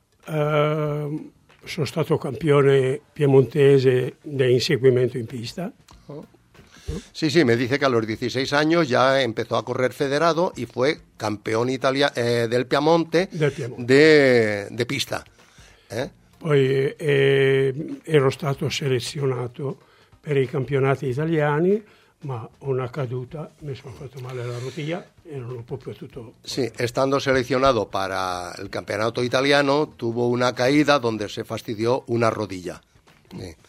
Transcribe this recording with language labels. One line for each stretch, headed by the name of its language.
Italian: Sono stato campione piemontese de inseguimiento en pista.
Spanish: Sí, sí, me dice que a los 16 años ya empezó a correr federado y fue campeón del Piamonte, de pista.
Italian: Poi ero stato selezionato per i campionati italiani, ma una caduta, mi sono fatto male la rotilla e non ho proprio potuto.
Spanish: Sí, estando
Italian: selezionato per il campionato italiano,
Spanish: tuvo una caída donde se fastidió una rodilla. Sí.